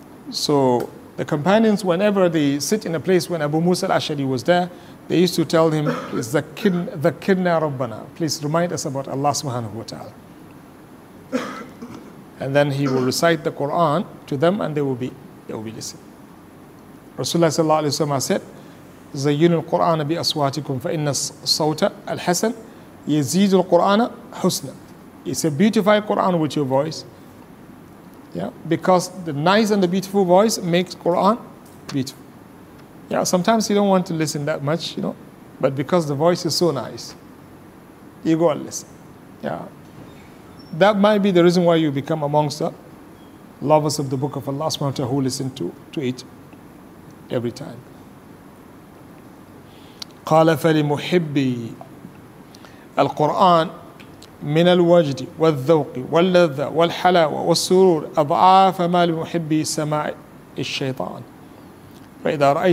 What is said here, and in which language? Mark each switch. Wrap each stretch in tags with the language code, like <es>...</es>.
<en>So the companions, whenever they sit in a place when Abu Musa al-Ash'ari was there, they used to tell him, Zakirna Rabbana, please remind us about Allah subhanahu wa ta'ala. And then he will recite the Quran to them and they will be listening. Rasulullah sallallahu alayhi wa sallam said,</en> <ar>زَيُّنُ الْقُرْآنَ بِأَصْوَاتِكُمْ فَإِنَّ الصَّوْتَ الْحَسَنِ يَزِيدُ الْقُرْآنَ حُسْنًا.</ar> <en>It's a beautified Qur'an with your voice. Yeah, because the nice and the beautiful voice makes Qur'an beautiful. Yeah, sometimes you don't want to listen that much, you know, but because the voice is so nice, you go and listen. Yeah. That might be the reason why you become amongst the lovers of the Book of Allah subhanahu wa ta'ala, who listen to it every time.</en> <ar>قال فلمحبي القرآن من الوجد والذوق واللذة والحلاوة والسرور أضعاف ما لمحبي سماع الشيطان فإذا</ar>